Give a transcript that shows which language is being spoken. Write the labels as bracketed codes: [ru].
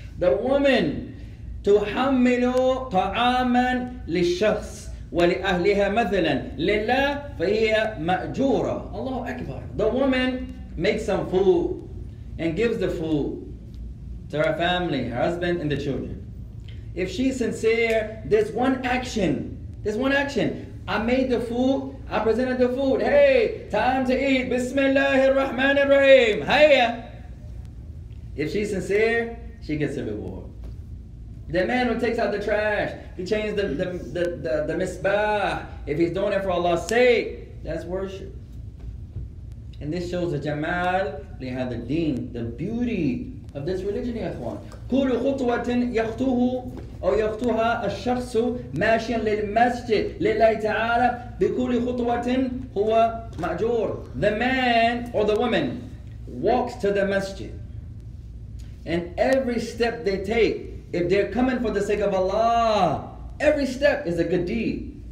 [en] The woman [ar] تحمل طعاما للشخص ولأهلها مثلا لله فهي مأجورة. الله أكبر. [en] The woman makes some food and gives the food to her family, her husband and the children. If she's sincere, there's one action. There's one action. I made the food, I presented the food. Hey, time to eat. Bismillahirrahmanirrahim. Hayya. If she's sincere, she gets a reward. The man who takes out the trash, he changes the misbah. If he's doing it for Allah's sake, that's worship. And this shows the jamal, they have the deen, the beauty of this religion, ya ikhwan. [ar] كل خطوة يخطوه أو يخطوها الشخص ماشيا للمسجد لله تعالى بكل خطوة هو مأجور. [en] The man or the woman walks to the masjid, and every step they take, if they're coming for the sake of Allah, every step is a good deed.